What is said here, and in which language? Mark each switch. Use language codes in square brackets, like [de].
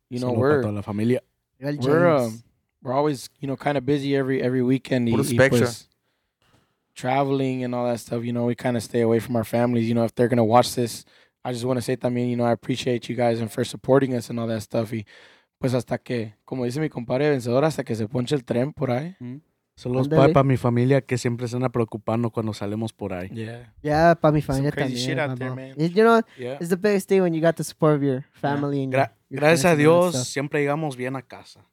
[en] You know, we're always, you know, kind of busy every weekend. Traveling and all that stuff, you know, we kind of stay away from our families. You know, if they're going to watch this, I just want to say [es] también, [en] you know, I appreciate you guys and for supporting us and all that stuff. [es] Y pues hasta que, como dice mi compadre vencedor, hasta que se ponche el tren por ahí. Saludos para mi familia que siempre se anda preocupando cuando salemos por ahí. [en] Yeah, [es] para mi familia también. [en] Some crazy shit out there, man. You know, it's the biggest thing when you got the support of your family. Yeah. [es] Gracias a Dios, siempre llegamos bien a casa.